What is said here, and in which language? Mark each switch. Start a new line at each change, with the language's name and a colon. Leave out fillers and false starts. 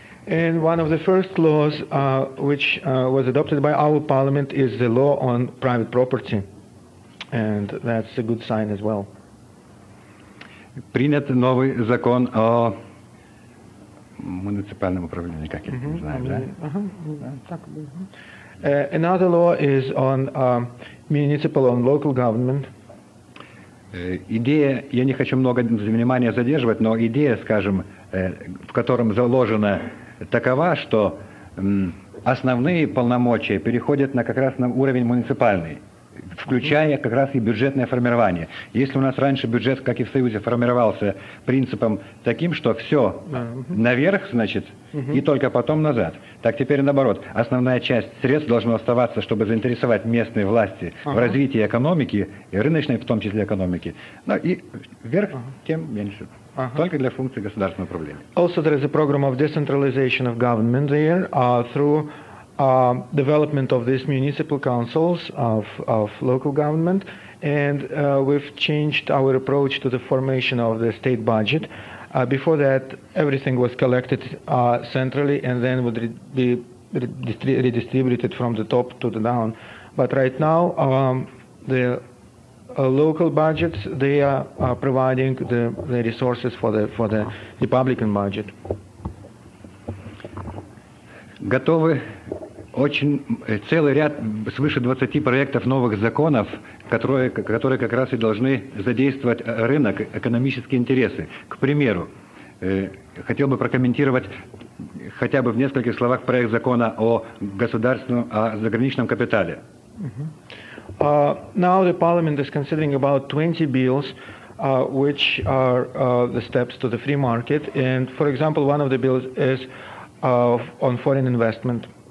English: And one of the first laws which was adopted by our parliament is the law on private property. And that's a good sign as well.
Russian: Принят новый закон о муниципальном управлении, как я не знаю, да?
English: Another law is on municipal, on local government.
Russian: Идея, я не хочу много внимания задерживать, но идея, скажем, в котором заложена такова, что основные полномочия переходят на как раз на уровень муниципальный, включая как раз и бюджетное формирование. Если у нас раньше бюджет, как и в Союзе, формировался принципом таким, что все наверх, значит, и только потом назад, так теперь наоборот. Основная часть средств должна оставаться, чтобы заинтересовать местные власти в развитии экономики, и рыночной в том числе экономики. Ну и вверх, тем меньше. Только для функции государственного управления.
English: Also there is a program of decentralization of government there through development of these municipal councils of local government, and we've changed our approach to the formation of the state budget. Before that, everything was collected centrally and then would be redistributed from the top to the down. But right now, the local budgets, they are providing the resources for the Republican budget.
Russian: Готовы. Очень целый ряд свыше 20 проектов новых законов, которые как раз и должны задействовать рынок, экономические интересы. К примеру, хотел бы прокомментировать хотя бы в нескольких словах проект закона о государственном, о заграничном капитале.
English: Now the parliament is considering about 20 bills, which are the steps to the free market. And, for example, one of the bills is on foreign investment.